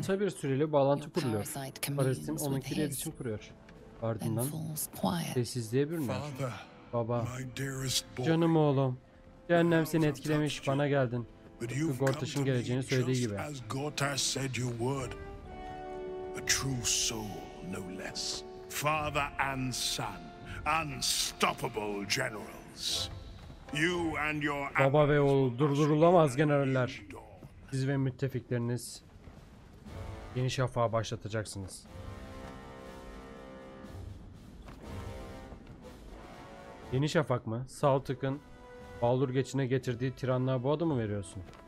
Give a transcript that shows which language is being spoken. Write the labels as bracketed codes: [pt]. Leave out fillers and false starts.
[tr] Kısa bir süreli bağlantı kuruluyor. Parasitin onunkiyle iletişim kuruyor. Ardından sessizliğe bürünüyor. Baba, canım oğlum. Cehennem seni etkilemiş, bana geldin. Tıpkı Gortash'ın geleceğini söylediği gibi. [en] A true soul, no less. Father and son, unstoppable generals. You and your [tr] baba ve oğul, durdurulamaz generaller. Siz ve müttefikleriniz yeni şafağı başlatacaksınız. Yeni şafak mı? Saltık'ın Baldur geçine getirdiği tiranlığa bu adı mı veriyorsun?